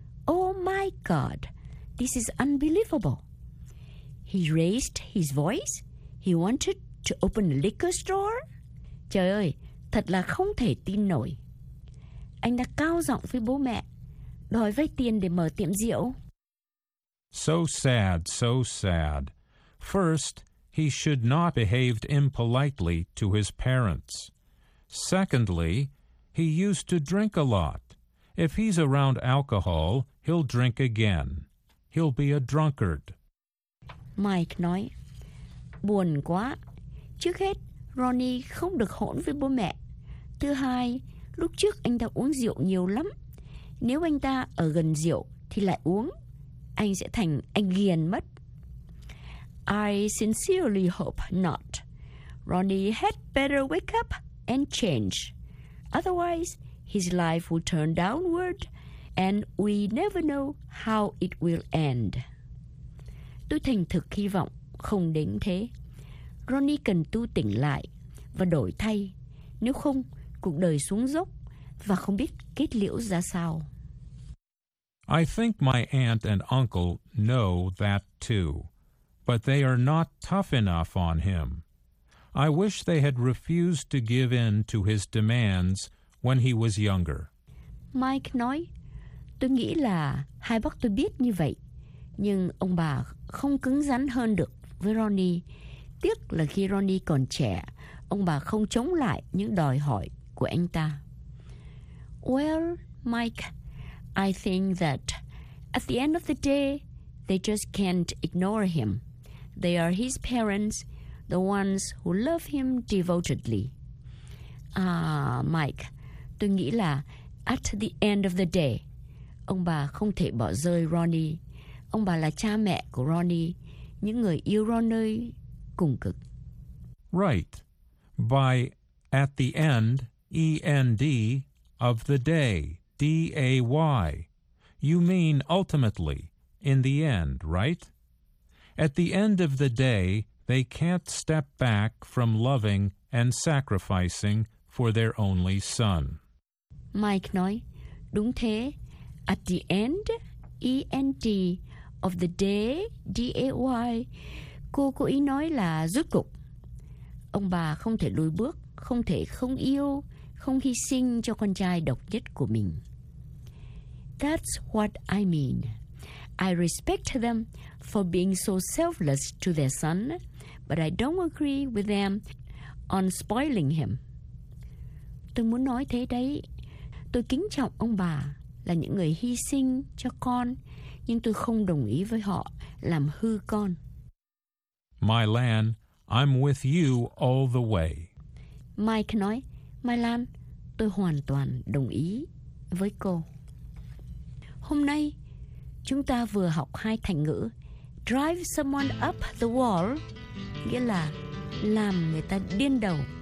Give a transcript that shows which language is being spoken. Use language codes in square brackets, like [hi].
[en] Oh my God, this is unbelievable. He raised his voice, he wanted to open a liquor store. [vi] Trời ơi, thật là không thể tin nổi. Anh đã cao giọng với bố mẹ, đòi vay tiền để mở tiệm rượu. [en] So sad, so sad. First, he should not behave impolitely to his parents. Secondly, he used to drink a lot. If he's around alcohol, he'll drink again. He'll be a drunkard. [vi] Mike nói, buồn quá. Trước hết, Ronnie không được hỗn với bố mẹ. Thứ hai, lúc trước anh ta uống rượu nhiều lắm. Nếu anh ta ở gần rượu thì lại uống, anh sẽ thành anh ghiền mất. [en] I sincerely hope not. Ronnie had better wake up and change. Otherwise, his life will turn downward and we never know how it will end. [vi] Tôi thành thực hy vọng không đến thế. Ronnie cần tu tỉnh lại và đổi thay, nếu không cuộc đời xuống dốc và không biết kết liễu ra sao. [en] I think my aunt and uncle know that too, but they are not tough enough on him. I wish they had refused to give in to his demands when he was younger. [vi] Mike nói, tôi nghĩ là hai bác tôi biết như vậy, nhưng ông bà không cứng rắn hơn được với Ronnie. Tiếc là khi Ronnie còn trẻ, ông bà không chống lại những đòi hỏi của anh ta. [en] Well, Mike, I think that at the end of the day, they just can't ignore him. They are his parents, the ones who love him devotedly. [vi] Mike, tôi nghĩ là at the end of the day, ông bà không thể bỏ rơi Ronnie. Ông bà là cha mẹ của Ronnie, những người yêu Ronnie. [en] Right. By at the end, E-N-D, of the day, D-A-Y. You mean ultimately, in the end, right? At the end of the day, they can't step back from loving and sacrificing for their only son. [vi] Mike nói, đúng thế. At the end, E-N-D, of the day, D-A-Y. Cô cố ý nói là rốt cục. Ông bà không thể lùi bước, không thể không yêu, không hy sinh cho con trai độc nhất của mình. [en] That's what I mean. I respect them for being so selfless to their son, but I don't agree with them on spoiling him. [vi] Tôi muốn nói thế đấy. Tôi kính trọng ông bà là những người hy sinh cho con, nhưng tôi không đồng ý với họ làm hư con. [en] My Lan, I'm with you all the way. [vi] Mike nói, My Lan, tôi hoàn toàn đồng ý với cô. Hôm nay, chúng ta vừa học hai thành ngữ. Drive someone up the wall, nghĩa là làm người ta điên đầu.